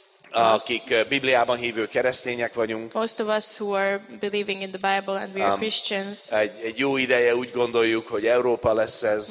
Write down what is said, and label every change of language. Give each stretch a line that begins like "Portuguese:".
Hungarian: akik Bibliában hívő keresztények vagyunk.
English: Most of us who are believing in the Bible and we are Christians.
Hungarian: Egy jó ideje úgy gondoljuk, hogy Európa lesz ez.